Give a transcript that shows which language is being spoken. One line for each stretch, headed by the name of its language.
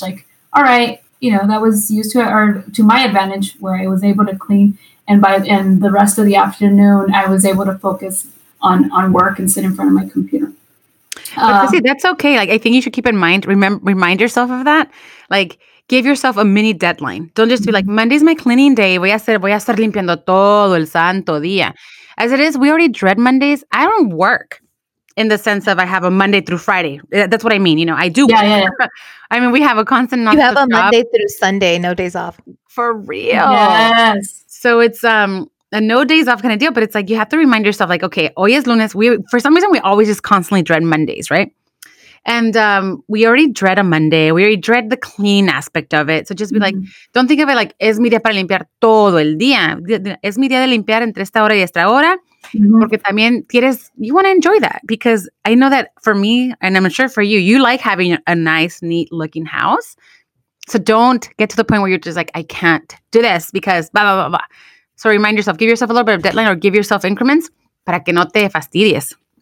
English: Like, all right, you know, that was used to my advantage, where I was able to clean. And the rest of the afternoon, I was able to focus on work and sit in front of my computer. See, that's okay. Like, I think you should keep in mind, remind yourself of that. Like, give yourself a mini deadline. Don't just be like, Monday's my cleaning day.
Spanish: Voy a estar limpiando todo el santo día.
English: As it is, we already dread Mondays. I don't work in the sense of I have a Monday through Friday. That's what I mean. You know, I do. Yeah. I mean, we have a constant. You have a job. Monday through Sunday, no days off. For real. Yes. So it's a no days off kind of deal, but it's like you have to remind yourself, like, okay, hoy es lunes. For some reason, we always just constantly dread Mondays, right? And we already dread a Monday. We already dread the clean aspect of it. So just be like, don't think of it like, es mi día para limpiar todo el día.
Spanish: Es mi día de limpiar entre esta hora y esta hora.
English: Mm-hmm. Porque también you want to enjoy that. Because I know that for me, and I'm sure for you, you like having a nice, neat looking house. So don't get to the point where you're just like, I can't do this because blah, blah, blah, blah. So remind yourself, give yourself a little bit of deadline or give yourself increments para que no te fastidies.